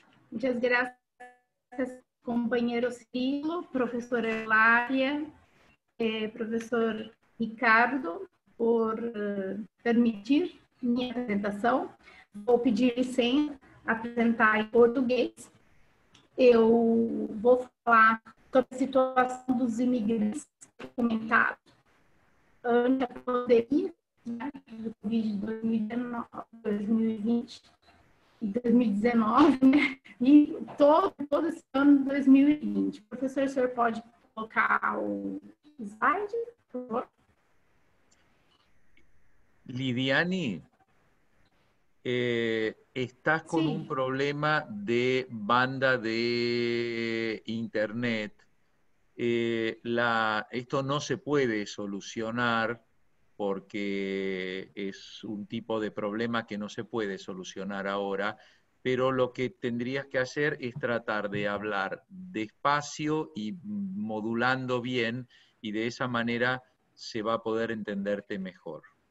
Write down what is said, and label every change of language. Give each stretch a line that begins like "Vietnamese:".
Spanish: Muchas gracias, compañero Cirilo, profesor Eulalia, profesor Ricardo, por permitir mi presentación.
Portuguese: Vou pedir licença, apresentar em português. Eu vou falar sobre a situação dos imigrantes documentados antes da pandemia, né, do Covid de 2019, né, e todo esse ano de 2020. Professor, o senhor pode colocar o slide, por favor? Liriani?
Spanish: Estás con sí. Un problema de banda de internet. Esto no se puede solucionar porque es un tipo de problema que no se puede solucionar ahora, pero lo que tendrías que hacer es tratar de hablar despacio y modulando bien, y de esa manera se va a poder entenderte mejor.